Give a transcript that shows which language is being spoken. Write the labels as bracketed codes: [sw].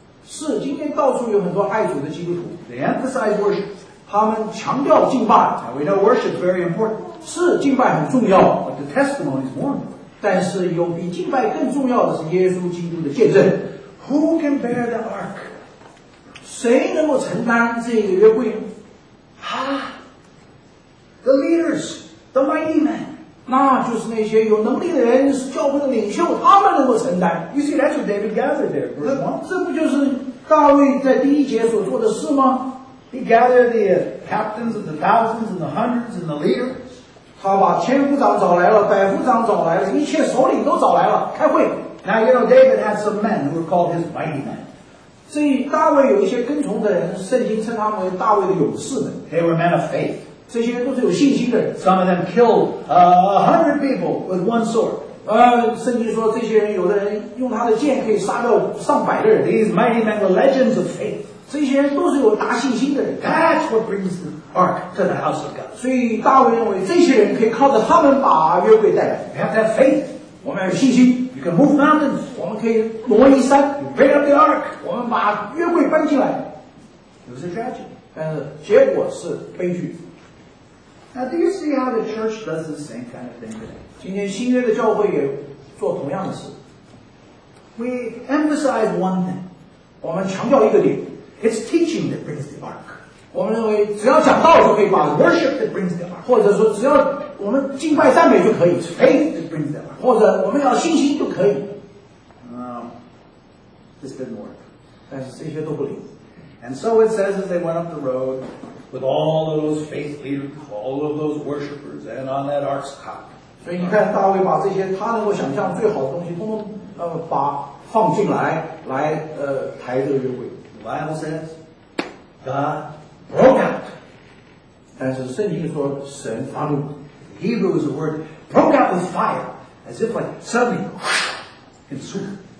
[zh] 是，今天到处有很多爱主的基督徒。 [en] They emphasize worship， [zh] 他们强调敬拜。 [en] Now we know worship is very important。 [zh] 是，敬拜很重要。 [en] But the testimony is more important。 [zh] 但是有比敬拜更重要的是耶稣基督的见证。 [en] Who can bear the ark? [zh] 谁能够承担这个约柜？ [en] The leaders, the mighty men. [zh] 那就是那些有能力的人，是教会的领袖，他们能够承担。 [en] You see, that's what David gathered there, verse 1. [zh] 这不就是大卫在第一节所做的事吗？ [en] He gathered the captains and the thousands and the hundreds and the leaders. [zh] 他把千夫长找来了，百夫长找来了，一切首领都找来了，开会。 [en] Now you know David had some men who were called his mighty men. [zh] 所以大卫有一些跟从的人，圣经称他们为大卫的勇士们。 [en] They were men of faith. [zh] 这些都是有信心的人。 [en] Some of them killed a hundred people with one sword. [zh] 圣经说这些人有的人用他的剑可以杀掉上百的人。 [en] These mighty men were legends of faith. [zh] 这些人都是有大信心的人。 [en] That's what brings the ark to the house of God. [zh] 所以大卫认为这些人可以靠着他们把约柜带来。 [en] We have to have faith. [zh] 我们要有信心。 [en] You can move mountains. [zh] 我们可以挪移山。 [en] You bring up the ark. [zh] 我们把约柜搬进来。 [en] It was a tragedy. [zh] 但是结果是悲剧。 [en] Now do you see how the church does the same kind of thing today? [zh] 今天新约的教会也做同样的事。 [en] We emphasize one thing. [zh] 我们强调一个点。 [en] It's teaching that brings the ark. [zh] 我们认为只要讲道就可以把 [en] worship that brings the ark. [zh] 或者说只要我们敬拜赞美就可以 [en] faith that brings the ark. [zh] 或者我们要信心就可以。 [en] This didn't work. [zh] 但是这些都不灵。 [en] And so it says as they went up the road with all of those faith leaders, all of those worshippers, and on that ark's top. [zh] 所以你看大卫把这些他能够想象最好的东西通通把放进来，来抬这个约柜。 [en] The Bible says, God broke out. [zh] 但是圣经说神发怒。 [en] Hebrew is a word, broke out with fire, as if like suddenly, consumed.